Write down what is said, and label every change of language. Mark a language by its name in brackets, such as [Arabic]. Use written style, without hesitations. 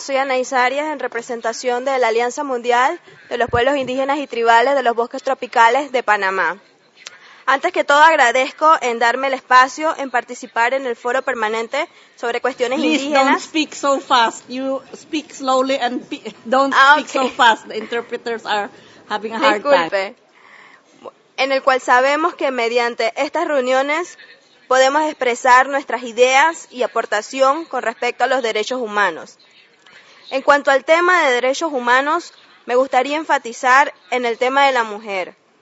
[Spanish] Soy Anais Arias en representación de la Alianza Mundial de los Pueblos Indígenas y Tribales de los Bosques Tropicales de Panamá. Antes que todo, agradezco en darme el espacio en participar en el foro permanente sobre cuestiones [English] Please [Spanish] indígenas. [English] Please don't speak so fast. You speak slowly and don't speak so fast. The interpreters are having a hard [Spanish] Disculpe. [English] Time. [Spanish] En el cual sabemos que mediante estas reuniones podemos expresar nuestras ideas y aportación con respecto a los derechos humanos. En cuanto al tema de derechos humanos, me gustaría enfatizar en el tema de la mujer,